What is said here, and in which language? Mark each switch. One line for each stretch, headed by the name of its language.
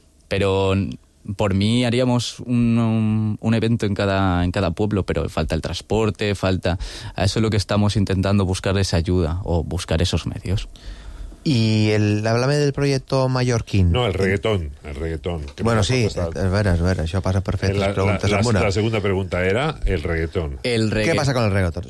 Spanish: Pero por mí haríamos un evento en cada pueblo, pero falta el transporte, falta... A eso es lo que estamos intentando, buscar esa ayuda o buscar esos medios. Y háblame del proyecto mallorquín. No, el reggaetón, el reggaetón.
Catalan: Bueno, sí, es vera, això passa per fer les preguntes amb una.
Spanish: La segunda pregunta era el reggaetón. El reggaetón. ¿Qué pasa con el reggaetón?